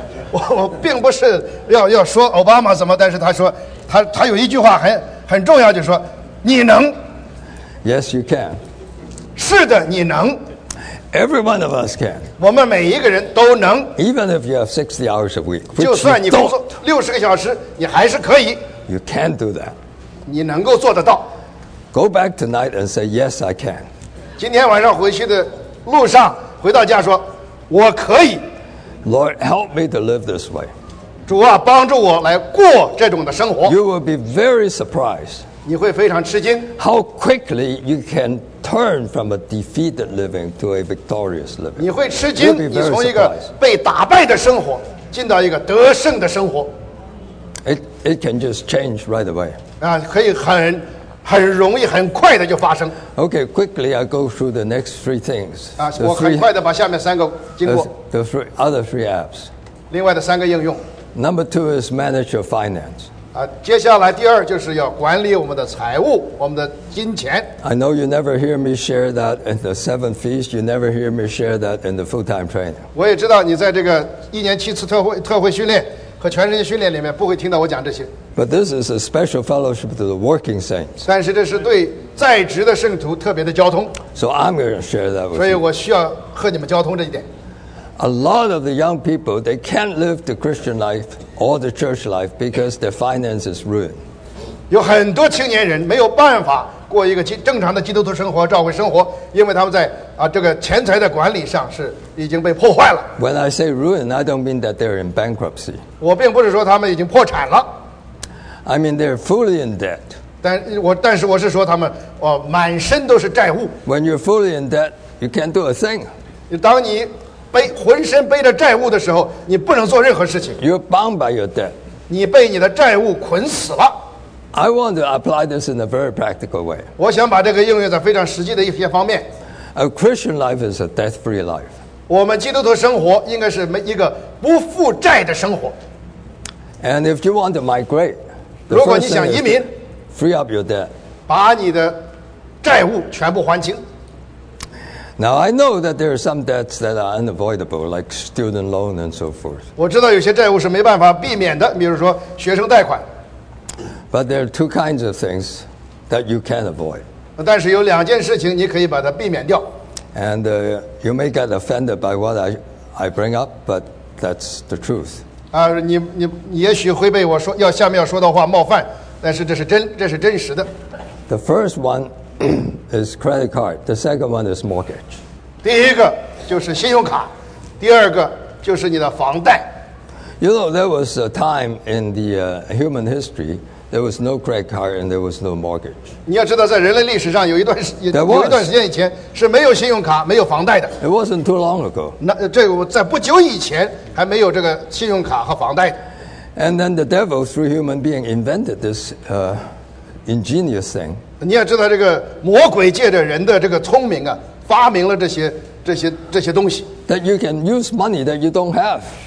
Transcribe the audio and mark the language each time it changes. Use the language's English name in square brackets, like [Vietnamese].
[Chinese] 我并不是要说奥巴马怎么，但是他说他有一句话很重要，就是说你能。 [English] Yes, you can. [Chinese] 是的，你能。 [English] Every one of us can. [Chinese] 我们每一个人都能。 [English] Even if you have 60 hours a week, [Chinese] 就算你工作60个小时，你还是可以。 [English] You can do that. [Chinese] 你能够做得到。 [English] Go back tonight and say, yes, I can. [Chinese] 今天晚上回去的路上，回到家说，我可以。 [English] Lord, help me to live this way. [Chinese] 主啊，帮助我来过这种的生活。 [English] You will be very surprised. [Chinese] 你会非常吃惊。 [English] How quickly you can turn from a defeated living to a victorious living. [Chinese] 你会吃惊，你从一个被打败的生活进到一个得胜的生活。 [English] It can just change right away. [Chinese] 啊，可以很容易，很快的就发生。 [English] Okay, quickly I go through the next three things. [Chinese] 我很快的把下面三个经过。 [English] The other three apps. [Chinese] 另外的三个应用。 [English] Number two is manage your finance. [Chinese] 接下来第二就是要管理我们的财务，我们的金钱。 [English] I know you never hear me share that in the seven feast. You never hear me share that in the full-time training. [Chinese] 我也知道你在这个一年七次特会训练和全世界训练里面不会听到我讲这些。 [English] But this is a special fellowship to the working saints. [Chinese] 但是这是对在职的圣徒特别的交通。 [English] So I'm going to share that with you. [Chinese] 所以我需要和你们交通这一点。 [English] A lot of the young people, they can't live the Christian life or the church life because their finance is ruined. [Chinese] 有很多青年人没有办法过一个正常的基督徒生活、教会生活，因为他们在这个钱财的管理上是已经被破坏了。 [English] When I say ruined, I don't mean that they're in bankruptcy. [Chinese] 我并不是说他们已经破产了。 [English] I mean they're fully in debt. [Chinese] 但是我是说他们满身都是债务。 [English] When you're fully in debt, you can't do a thing. [Chinese] 当你浑身背着债务的时候，你不能做任何事情。 [English] You're bound by your debt. [Chinese] 你被你的债务捆死了。 [English] I want to apply this in a very practical way. [Chinese] 我想把这个应用在非常实际的一些方面。 [English] A Christian life is a debt-free life. [Chinese] 我们基督徒生活应该是一个不负债的生活。 [English] And if you want to migrate. [Chinese] 如果你想移民 [English] ，free up your debt， [Chinese] 把你的债务全部还清。 [English] Now I know that there are some debts that are unavoidable, like student loan and so forth. [Chinese] 我知道有些债务是没办法避免的，比如说学生贷款。 [English] But there are two kinds of things that you can avoid. [Chinese] 但是有两件事情你可以把它避免掉。 [English] And you may get offended by what I bring up, but that's the truth. [Chinese] 你也许会被我说要下面要说的话冒犯，但是这是真实的。 [English] The first one is credit card. The second one is mortgage. [Chinese] 第一个就是信用卡，第二个就是你的房贷。 [English] You know, there was a time in the human history there was no credit card and there was no mortgage. [Chinese] 你要知道，在人类历史上有一段时间以前是没有信用卡、没有房贷的。 [English] It wasn't too long ago. [Chinese] 那这我在不久以前。还没有这个信用卡和房贷。 [English] And then the devil through human being invented this ingenious thing. [Chinese] 你也知道这个魔鬼借着人的这个聪明啊，发明了这些东西。 [English] That you can use money that you don't have.